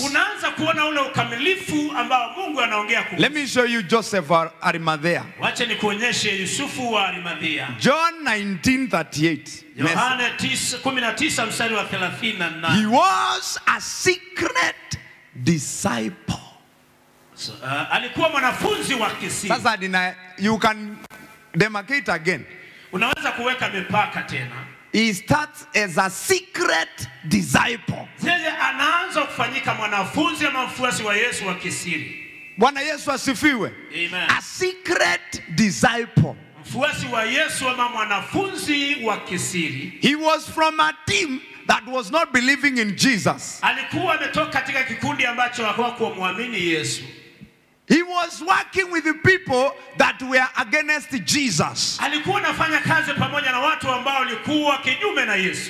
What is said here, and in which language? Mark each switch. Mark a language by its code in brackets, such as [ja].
[sw] Unaanza kuona ule ukamilifu ambao Mungu anaongea kuhusu. [en] Let me show you Joseph of Arimathea. [sw] Wacha nikuonyeshe Yusufu wa Arimathea. [en] John 19:38. [sw] Yohana 19 mstari wa 38. [en] He was a secret disciple. [sw] Alikuwa mwanafunzi wa kisiri. Sasa dina, [en] you can demarcate again. [sw] Unaweza kuweka mipaka tena. [en] He starts as a secret disciple. [sw] Yeye anaanza kufanyika mwanafunzi ama mfuasi wa Yesu wa kisiri. Bwana Yesu asifiwe. Amen. [en] A secret disciple. [sw] Mfuasi wa Yesu ama mwanafunzi wa kisiri. [en] He was from a team that was not believing in Jesus. [sw] Alikuwa ametoka katika kikundi ambacho hawakuwa muamini Yesu. [en] He was working with the people that were against Jesus. [sw] Alikuwa anafanya kazi pamoja na watu ambao walikuwa kinyume na Yesu.